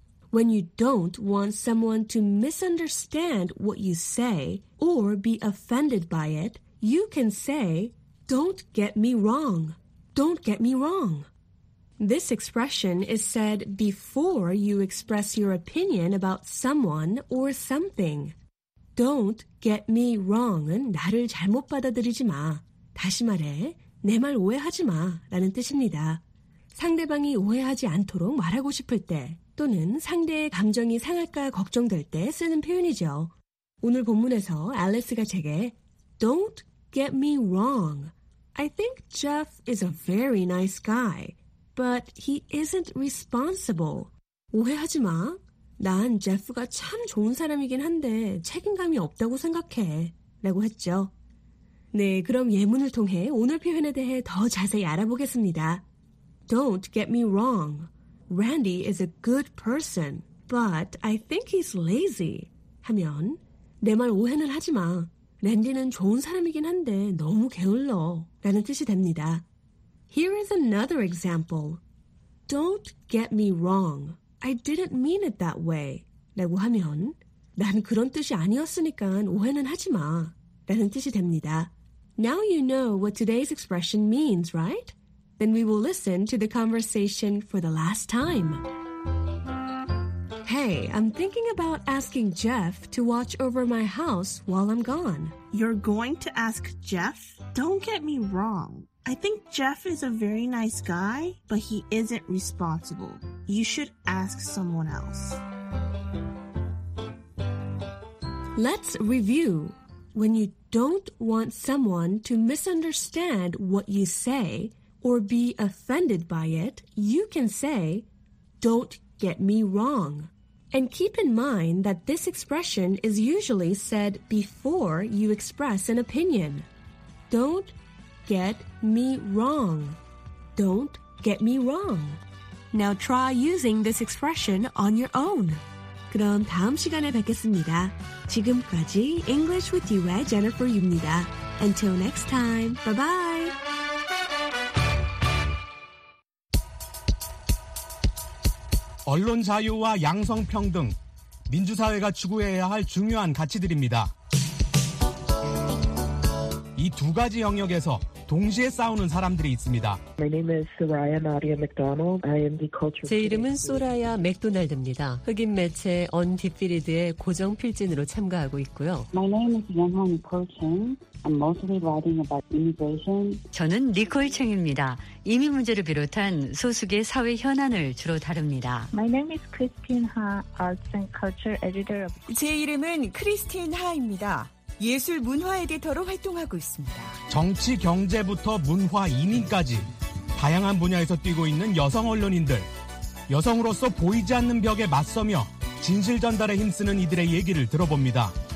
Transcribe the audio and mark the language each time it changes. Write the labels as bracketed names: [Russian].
[English] When you don't want someone to misunderstand what you say or be offended by it, you can say, don't get me wrong. Don't get me wrong. This expression is said before you express your opinion about someone or something. Don't get me wrong [Korean] 은 나를 잘못 받아들이지 마. 다시 말해, 내 말 오해하지 마 라는 뜻입니다. 상대방이 오해하지 않도록 말하고 싶을 때 또는 상대의 감정이 상할까 걱정될 때 쓰는 표현이죠. 오늘 본문에서 앨리스가 제게 [English] Don't get me wrong. I think Jeff is a very nice guy, but he isn't responsible. [Korean] 오해하지 마. 난 제프가 참 좋은 사람이긴 한데 책임감이 없다고 생각해. 라고 했죠. 네, 그럼 예문을 통해 오늘 표현에 대해 더 자세히 알아보겠습니다. [English] Don't get me wrong. Randy is a good person, but I think he's lazy. [Korean] 하면 내 말 오해는 하지 마. 랜디는 좋은 사람이긴 한데 너무 게을러 라는 뜻이 됩니다. [English] Here is another example. Don't get me wrong. I didn't mean it that way. [Korean] 라고 하면 난 그런 뜻이 아니었으니까 오해는 하지 마 라는 뜻이 됩니다. [English] Now you know what today's expression means, right? Then we will listen to the conversation for the last time. Hey, I'm thinking about asking Jeff to watch over my house while I'm gone. You're going to ask Jeff? Don't get me wrong. I think Jeff is a very nice guy, but he isn't responsible. You should ask someone else. Let's review. When you don't want someone to misunderstand what you say or be offended by it, you can say, "Don't get me wrong." And keep in mind that this expression is usually said before you express an opinion. Don't get me wrong. Don't get me wrong. Now try using this expression on your own. [Korean] 그럼 다음 시간에 뵙겠습니다. 지금까지 English with You의 Jennifer입니다. [English] Until next time, bye-bye! [Korean] Online 자유와 양성평등, 민주사회가 추구해야 할 중요한 가치들입니다. 이 두 가지 영역에서 동시에 싸우는 사람들이 있습니다. [English] My name is Soraya Maria McDonald. I am the culture. [Korean] 제 이름은 소라야 맥도날드입니다. 흑인 매체 언디피리드의 고정 필진으로 참가하고 있고요. [English] My name is Yeonhong Nicole Chang. I'm mostly writing about immigration. [Korean] 저는 니콜 챙입니다. 이민 문제를 비롯한 소수계 사회 현안을 주로 다룹니다. [English] My name is Christine Ha, Arts and Culture Editor. [Korean] 제 이름은 크리스틴 하입니다. 예술 문화 에디터로 활동하고 있습니다. 정치, 경제부터 문화, 이민까지 다양한 분야에서 뛰고 있는 여성 언론인들. 여성으로서 보이지 않는 벽에 맞서며 진실 전달에 힘쓰는 이들의 얘기를 들어봅니다.